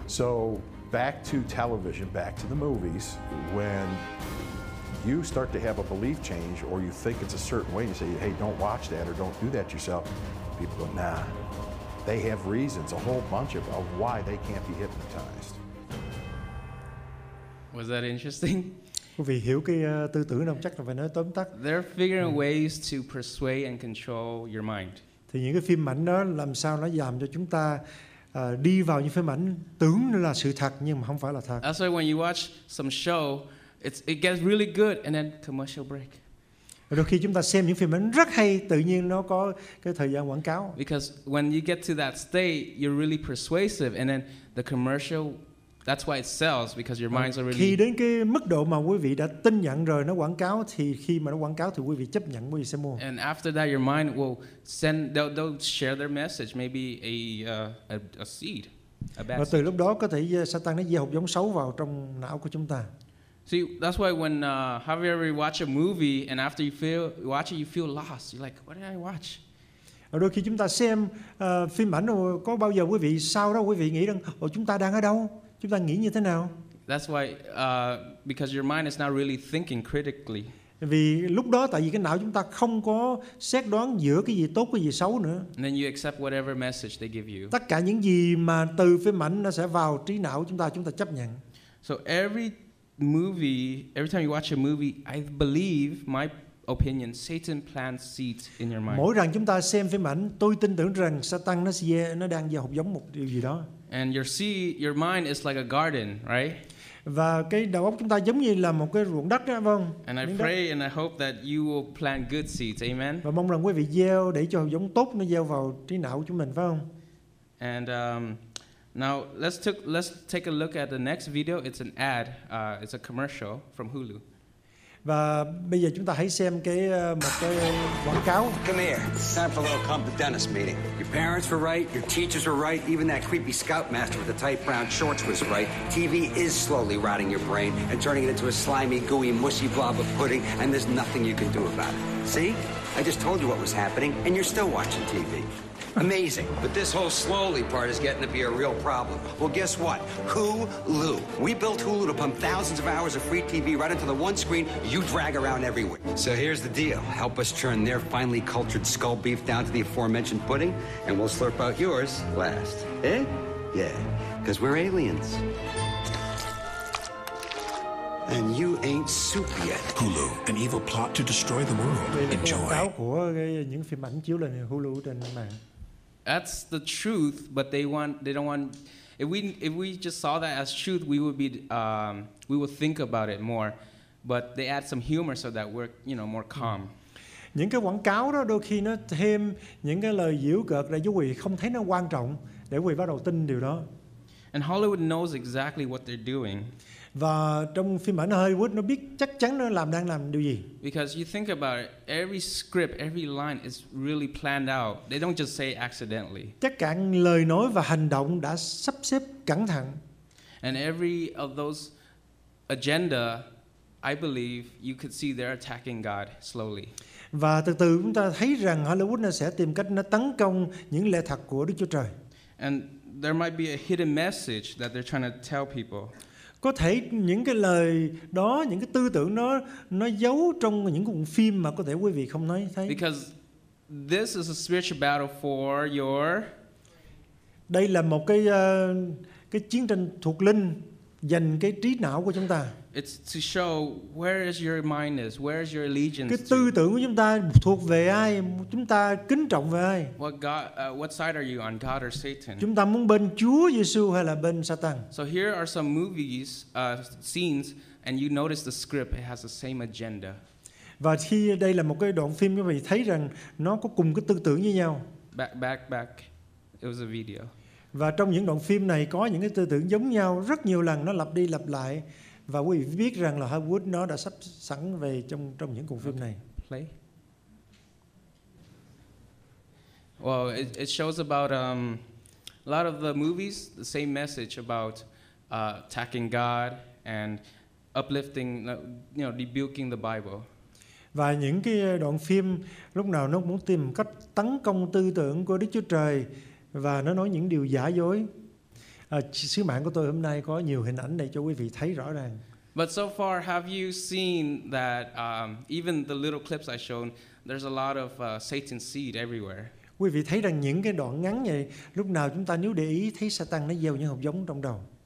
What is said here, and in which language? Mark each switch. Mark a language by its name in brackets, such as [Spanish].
[English] So back to television, back to the movies, when you start to have a belief change or you think it's a certain way, you say, hey, don't watch that or don't do that yourself, people go, nah. They have reasons, a whole bunch of why they can't be hypnotized. Was that interesting? [Vietnamese] Vì hiểu cái tư tưởng nào chắc là phải nói tóm tắt. [English] They're figuring ways to persuade and control your mind. [Vietnamese] Thì những cái phim ảnh đó làm sao nó làm cho chúng ta đi vào những phim ảnh tưởng là sự thật nhưng mà không phải là thật. [English] That's why when you watch some show, it gets really good and then commercial break. [Vietnamese] Đôi khi chúng ta xem những phim ảnh rất hay, tự nhiên nó có cái thời gian quảng cáo. [English] Because when you get to that state, you're really persuasive and then the commercial. That's why it sells, because your mind's already... [Vietnamese] Khi đến cái mức độ mà quý vị đã tin nhận rồi, nó quảng cáo, thì khi mà nó quảng cáo thì quý vị chấp nhận, quý vị sẽ mua. [English] And after that, your mind will send, they'll share their message, maybe a seed, a bad [Vietnamese] Và từ lúc đó, có thể Satan nó gieo hạt giống xấu vào trong não của chúng ta. [English] See, that's why when, have you ever watched a movie, and after you watch it, you feel lost. You're like, what did I watch? [Vietnamese] Đôi khi chúng ta xem phim ảnh, có bao giờ quý vị sau đó quý vị nghĩ rằng, ồ, chúng ta đang ở đâu? Chúng ta nghĩ như thế nào? [English] That's why, because your mind is not really thinking critically. [Vietnamese] Vì lúc đó, tại vì cái não chúng ta không có xét đoán giữa cái gì tốt, cái gì xấu nữa. [English] And then you accept whatever message they give you. [Vietnamese] Tất cả những gì mà từ phim ảnh nó sẽ vào trí não chúng ta chấp nhận. [English] So every movie, every time you watch a movie, I believe my opinion, Satan plants seeds in your mind. [Vietnamese] Mỗi lần chúng ta xem phim ảnh, tôi tin tưởng rằng Satan nó đang gieo hạt giống một điều gì đó. [English] And your mind is like a garden, right? [Vietnamese] Và cái đầu óc chúng ta giống như là một cái ruộng đất, phải không? [English] And I pray and I hope that you will plant good seeds, amen. [Vietnamese] Và mong rằng quý vị gieo để cho hạt giống tốt nó gieo vào trí não chúng mình, phải không? [English] And now let's take a look at the next video. It's an ad. It's a commercial from Hulu. [Vietnamese] Và bây giờ chúng ta hãy xem cái một cái quảng cáo. [English] Come here. It's time for a little competence meeting. Your parents were right, your teachers were right, even that creepy scoutmaster with the tight brown shorts was right. TV is slowly rotting your brain and turning it into a slimy, gooey, mushy blob of pudding, and there's nothing you can do about it. See? I just told you what was happening, and you're still watching TV. Amazing. But this whole slowly part is getting to be a real problem. Well, guess what? Hulu. We built Hulu to pump thousands of hours of free TV right into the one screen you drag around everywhere. So here's the deal. Help us churn their finely cultured skull beef down to the aforementioned pudding, and we'll slurp out yours last. Eh? Yeah. Because we're aliens. And you ain't soup yet. Hulu, an evil plot to destroy the world. Enjoy. [Vietnamese] Những phim ảnh chiếu lên Hulu trên mạng. [English] That's the truth, but they don't want. If we just saw that as truth, we would be we would think about it more. But they add some humor so that we're more calm. [Vietnamese] Những cái quảng cáo đó đôi khi nó thêm những cái lời giễu cợt để quý vị không thấy nó quan trọng để quý vị bắt đầu tin điều đó. [English] And Hollywood knows exactly what they're doing. [Vietnamese] Và trong phim ảnh Hollywood nó biết chắc chắn nó đang làm điều gì. [English] Because you think about it, every script, every line is really planned out. They don't just say accidentally. [Vietnamese] Tất cả lời nói và hành động đã sắp xếp cẩn thận. [English] And every of those agenda, I believe you could see they're attacking God slowly. [Vietnamese] Và từ từ chúng ta thấy rằng Hollywood nó sẽ tìm cách nó tấn công những lẽ thật của Đức Chúa Trời. [English] And there might be a hidden message that they're trying to tell people. [Vietnamese] Có thể những cái lời đó, những cái tư tưởng đó nó giấu trong những cuộn phim mà có thể quý vị không thấy. [English] Because this is a spiritual battle for your... [Vietnamese] Đây là một cái chiến tranh thuộc linh dành cái trí não của chúng ta. [English] It's to show where is your mind is, where is your allegiance. [Vietnamese] Cái tư tưởng của chúng ta thuộc về ai, chúng ta kính trọng về ai. [English] What side are you on, God or Satan? [Vietnamese] Chúng ta muốn bên Chúa Giêsu hay là bên Satan? [English] So here are some movies, scenes, and you notice the script. It has the same agenda. [Vietnamese] Và khi đây là một cái đoạn phim, quý vị thấy rằng nó có cùng cái tư tưởng như nhau. [English] Back. It was a video. [Vietnamese] Và trong những đoạn phim này có những cái tư tưởng giống nhau rất nhiều lần, nó lặp đi lặp lại. Và quý vị biết rằng là Hollywood nó đã sắp sẵn về trong những cuộc phim này. [English] Play. Well, it shows about a lot of the movies, the same message about attacking God and uplifting, rebuking the Bible. [Vietnamese] Và những cái đoạn phim lúc nào nó muốn tìm cách tấn công tư tưởng của Đức Chúa Trời và nó nói những điều giả dối. Sứ mạng của tôi hôm nay có nhiều hình ảnh để cho quý vị thấy rõ ràng. [English] But so far, have you seen that even the little clips I shown, there's a lot of Satan seed everywhere? [Vietnamese] Quý vị thấy rằng những cái đoạn ngắn vậy, lúc nào chúng ta nếu để ý thấy Satan nó gieo những hạt giống trong đầu.